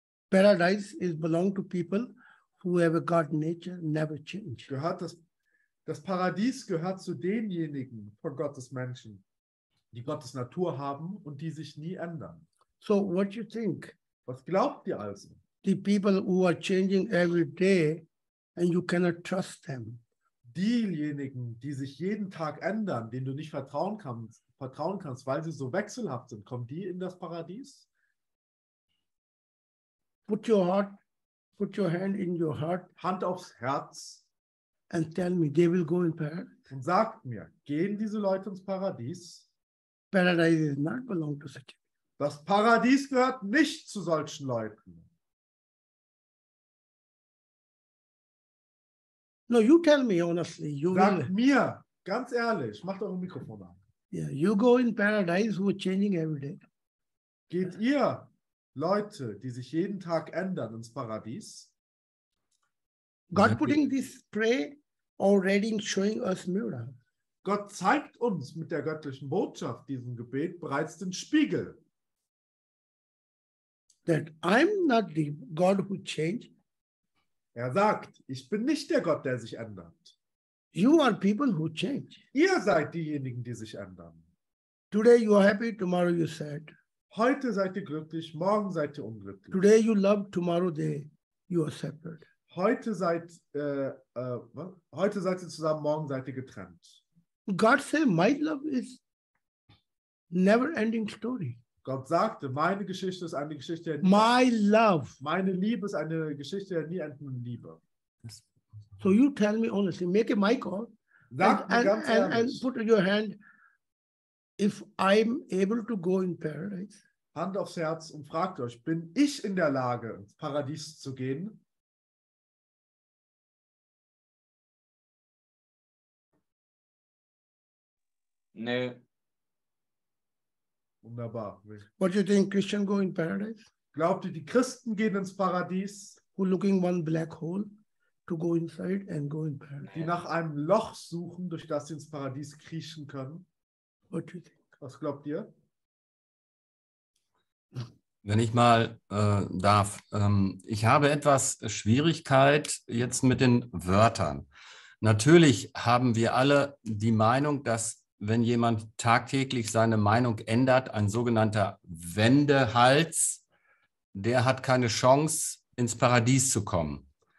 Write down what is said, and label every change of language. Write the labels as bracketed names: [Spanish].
[English] Paradise is belong to people who have a God nature, never change. [German] Gehört das Paradies gehört zu denjenigen von Gottes Menschen, die Gottes Natur haben und die sich nie ändern. [English] So, what you think? [German] Was glaubt ihr also? [English] The people who are changing every day and you cannot trust them. [German] Diejenigen, die sich jeden Tag ändern, denen du nicht vertrauen kannst, weil sie so wechselhaft sind, kommen die in das Paradies? [English] Put your hand in your heart. [German] Hand aufs Herz. [English] And tell me, they will go in paradise. [German] Und sagt mir, gehen diese Leute ins Paradies? [English] Paradise does not belong to such. [German] Das Paradies gehört nicht zu solchen Leuten. [English] No, you tell me honestly. You [German] sag [English] will... [German] mir ganz ehrlich. Macht euer Mikrofon an. [English] Yeah, you go in paradise who are changing every day. [German] Geht ihr Leute, die sich jeden Tag ändern, ins Paradies? [English] God putting this prayer already showing us mirror. [German] Gott zeigt uns mit der göttlichen Botschaft diesem Gebet bereits den Spiegel. [English] That I'm not the God who changed. [German] Er sagt, ich bin nicht der Gott, der sich ändert. [English] You are people who change. [German] Ihr seid diejenigen, die sich ändern. [English] Today you are happy, tomorrow you sad. [German] Heute seid ihr glücklich, morgen seid ihr unglücklich. [English] Today you love, tomorrow day you are separate. [German] Heute seid ihr zusammen, morgen seid ihr getrennt. [English] God said, my love is never-ending story. [German] Gott sagte, meine Geschichte ist eine Geschichte der [English] nie. My love. [German] Meine Liebe ist eine Geschichte der nie endenden Liebe. [English] So you tell me honestly, make a mic call. [German] Sag mir ganz ehrlich. [English] And put your hand, if I'm able to go in paradise. [German] Hand aufs Herz und fragt euch, bin ich in der Lage, ins Paradies zu gehen? Nö. Wunderbar. [English] What do you think Christians go in paradise? [German] Glaubt ihr, die Christen gehen ins Paradies? [English] Who looking one black hole to go inside and go in paradise? [German] Die nach einem Loch suchen, durch das sie ins Paradies kriechen können. [English] What do you think? [German] Was glaubt ihr? Wenn ich mal darf, ich habe etwas Schwierigkeit jetzt mit den Wörtern. Natürlich haben wir alle die Meinung, dass wenn jemand tagtäglich seine Meinung ändert, ein sogenannter Wendehals, der hat keine Chance, ins Paradies zu kommen.